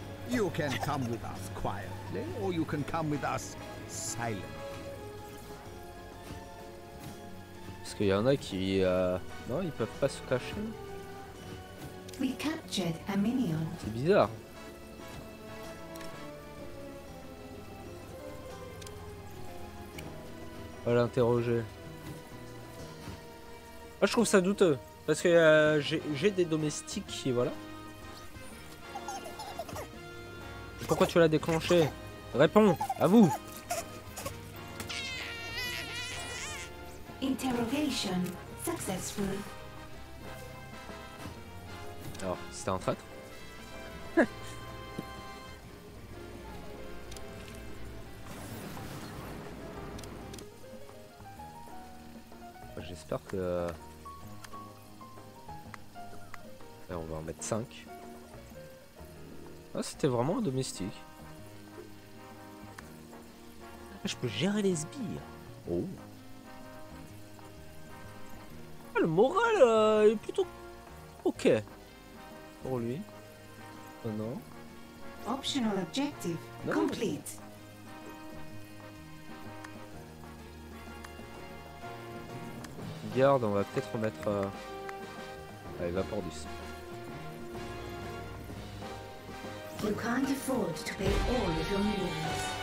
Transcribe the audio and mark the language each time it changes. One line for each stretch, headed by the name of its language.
English: You can come with us quietly. Or you can come with us silent.
French: Parce qu'il y en a qui non, ils peuvent pas se cacher.
English: We captured a minion.
French: C'est bizarre. On va l'interroger. Moi, je trouve ça douteux parce que j'ai des domestiques qui voilà. Pourquoi tu l'as déclenché? Réponds, à vous.
English: Interrogation successful.
French: Alors, c'était un traître. J'espère que... Et on va en mettre 5. Ah, c'était vraiment un domestique. Je peux gérer les sbires. Oh. Le moral est plutôt ok pour lui. Oh non.
English: Optional objective non. Complete.
French: Garde, on va peut-être remettre à Evapordus.
English: You can't afford to pay all of your millions.